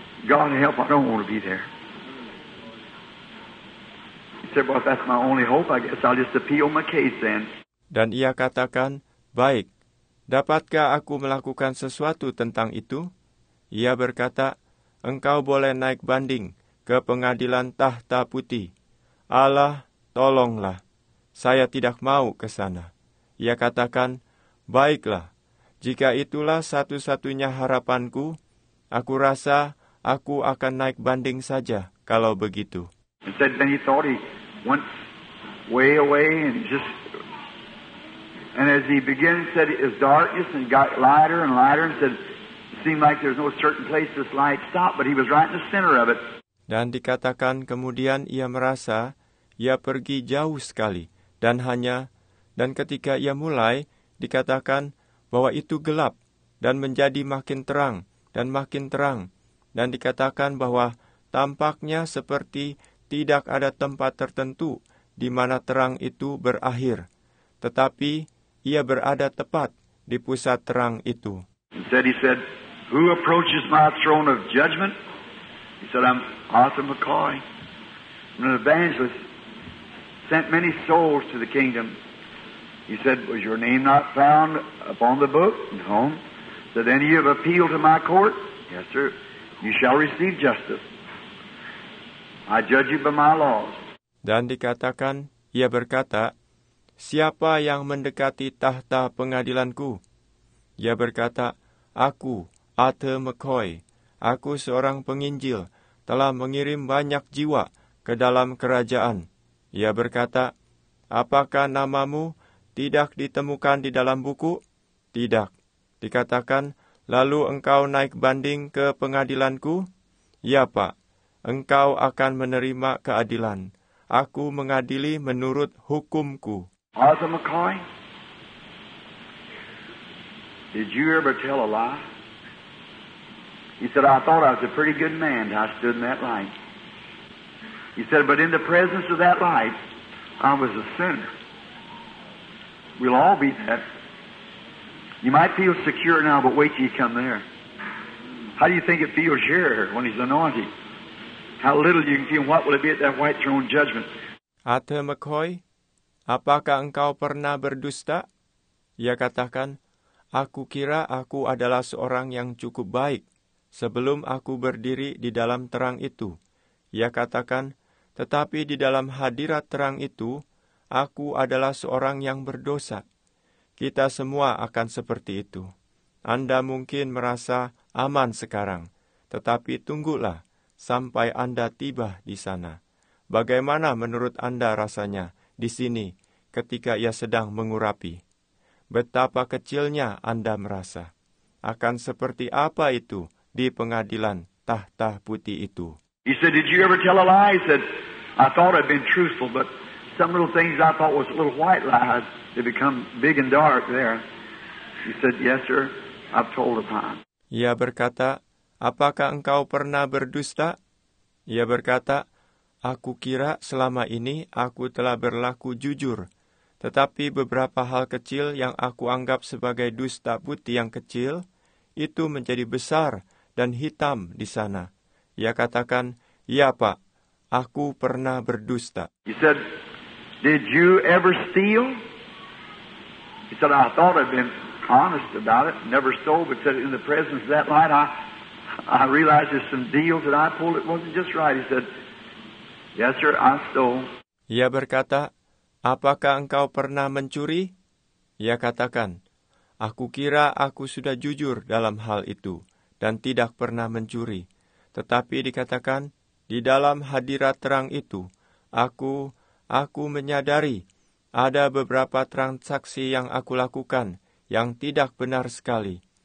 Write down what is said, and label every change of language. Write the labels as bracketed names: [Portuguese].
[English] God help, I don't want to be there. He said, well, if that's my only hope, I guess I'll just appeal my case then. [Indonesian] Dan ia katakan, baik, dapatkah aku melakukan sesuatu tentang itu? Ia berkata, engkau boleh naik banding ke pengadilan tahta putih. Allah, tolonglah. Saya tidak mau ke sana. Ia katakan, baiklah, jika itulah satu-satunya harapanku, aku rasa aku akan naik banding saja kalau begitu. [English] Instead, then he thought he went way away and just... And as he began, said it's darkness and got lighter and lighter and said, it seemed like there's no certain place this light stopped, but he was right in the center of it. [Indonesian] Dan dikatakan kemudian ia merasa ia pergi jauh sekali dan hanya dan ketika ia mulai dikatakan bahwa itu gelap dan menjadi makin terang dan makin terang dan dikatakan bahwa tampaknya seperti tidak ada tempat tertentu di mana terang itu berakhir tetapi ia berada tepat di pusat terang itu. [English] He said, "Who approaches my throne of judgment?" He said, "I'm Arthur McCoy. I'm an evangelist. Sent many souls to the kingdom." He said, "Was your name not found upon the book?" "No." "Did any of you have appealed to my court?" "Yes, sir." "You shall receive justice. I judge you by my laws." [Indonesian] Dan dikatakan, ia berkata, "Siapa yang mendekati tahta pengadilanku?" Ia berkata, "Aku, Arthur McCoy, aku seorang penginjil, telah mengirim banyak jiwa ke dalam kerajaan." Ia berkata, "Apakah namamu tidak ditemukan di dalam buku?" "Tidak." Dikatakan, "Lalu engkau naik banding ke pengadilanku?" "Ya, Pak. Engkau akan menerima keadilan. Aku mengadili menurut hukumku." [English] Arthur McCoy, did you ever tell a lie? He said, "I thought I was a pretty good man when I stood in that light." He said, "But in the presence of that light, I was a sinner." We'll all be that. You might feel secure now, but wait till you come there. How do you think it feels here when he's anointed? How little you can feel, what will it be at that white throne judgment? [Indonesian] Arthur McCoy, apakah engkau pernah berdusta? Ia katakan, "Aku kira aku adalah seorang yang cukup baik sebelum aku berdiri di dalam terang itu." Ia katakan, "Tetapi di dalam hadirat terang itu, aku adalah seorang yang berdosa." Kita semua akan seperti itu. Anda mungkin merasa aman sekarang, tetapi tunggulah sampai Anda tiba di sana. Bagaimana menurut Anda rasanya di sini ketika ia sedang mengurapi? Betapa kecilnya Anda merasa. Akan seperti apa itu di pengadilan tahta putih itu? [English] He said, "Did you ever tell a lie?" He said, "I thought I'd been truthful, but some little things I thought was a little white lies, they become big and dark there." He said, "Yes, sir, I've told a lie." [Indonesian] Ia berkata, "Apakah engkau pernah berdusta?" Ia berkata, "Aku kira selama ini aku telah berlaku jujur, tetapi beberapa hal kecil yang aku anggap sebagai dusta putih yang kecil, itu menjadi besar dan hitam di sana." Ia katakan, "Ya, Pak, aku pernah berdusta." [English] He said, "Did you ever steal?" He said, "I thought I'd been honest about it, never stole, but said in the presence of that light, I realized there's some deals that I pulled, it wasn't just right." He said, "Yes, sir, I stole." [Indonesian] Ia berkata, "Apakah engkau pernah mencuri?" Ia katakan, "Aku kira aku sudah jujur dalam hal itu dan tidak pernah mencuri. Tetapi dikatakan, di dalam hadirat terang itu, aku menyadari ada beberapa transaksi yang aku lakukan yang tidak benar sekali."